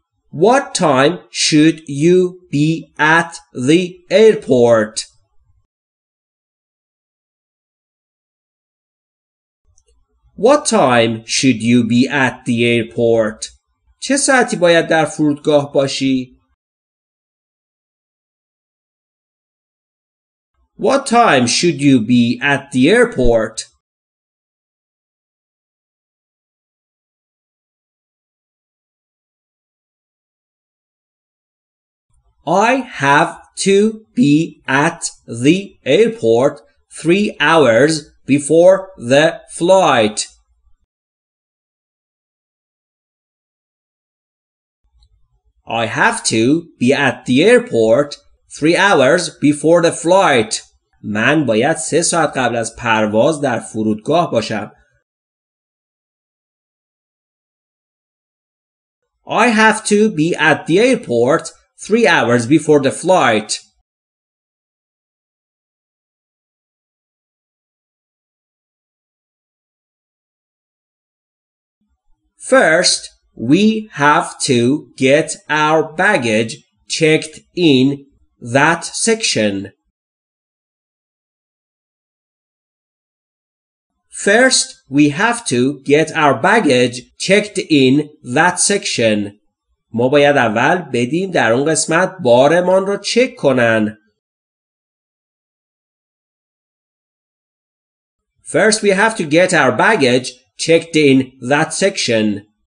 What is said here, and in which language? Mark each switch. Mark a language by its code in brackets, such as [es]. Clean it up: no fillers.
[en] What time should you be at the airport? What time should you be at the airport? [fa] چه ساعتی باید در فرودگاه باشی؟ [en] What time should you be at the airport? I have to be at the airport 3 hours before the flight. I have to be at the airport 3 hours before the flight. [fa] من باید 3 ساعت قبل از پرواز در فرودگاه باشم. [en] I have to be at the airport 3 hours before the flight. First, we have to get our baggage checked in that section. First, we have to get our baggage checked in that section. [fa] ما باید اول بدیم در اون قسمت بارمان رو چک کنن. [en] First we have to get our baggage checked in that section.